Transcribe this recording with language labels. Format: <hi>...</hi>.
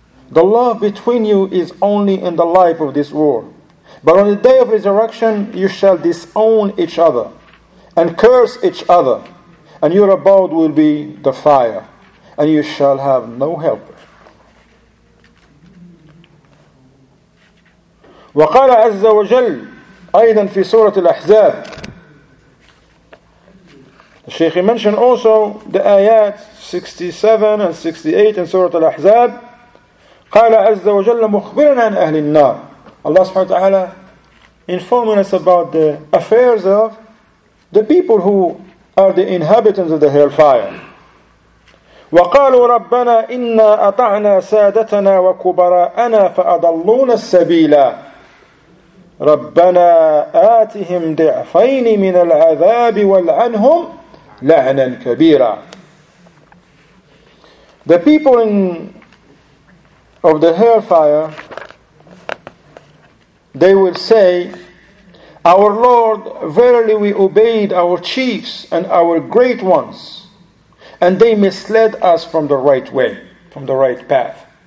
<en>The love between you is only in the life of this world. But on the day of resurrection, you shall disown each other and curse each other, and your abode will be the fire, and you shall have no helper.</en> <ar>وقال عز وجل أيضا في سورة الأحزاب.</ar> <en>Sheikh mentioned also the ayat 67 and 68 in Surah Al-Ahzab.</en> <ar>قال عز وجل مخبرنا عن أهل النار.</ar> <en>Allah subhanahu wa ta'ala informing us about the affairs of the people who are the inhabitants of the hellfire.</en> <ar>وقالوا ربنا إنا أطعنا سادتنا وكبراءنا فأضلونا السبيلا. ربنا آتهم ضعفين من العذاب والعنهم لَعْنًا كَبِيرًا.</ar> <en>The people of the hellfire, they will say, our Lord, verily we obeyed our chiefs and our great ones, and they misled us from the right way, from the right path.</en>